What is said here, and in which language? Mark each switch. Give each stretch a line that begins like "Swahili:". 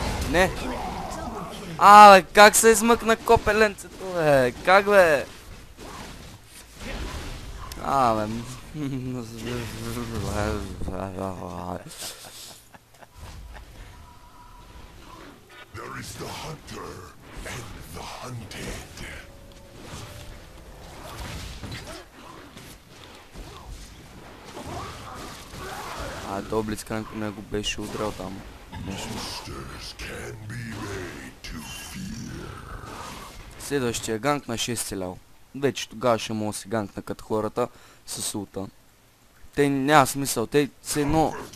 Bulgarian: Не! А, бе, как се измъкна копеленцето, бе? Как, бе? А, бе...
English: There is the hunter and the hunted.
Bulgarian: А, то Блицкранк не го беше удрял там.
English: Monsters can be made to fear.
Bulgarian: Следващия ганг на 6 лял. Вече тогава ще мога да си ганкна като хората с ута. Те няма смисъл, те все едно...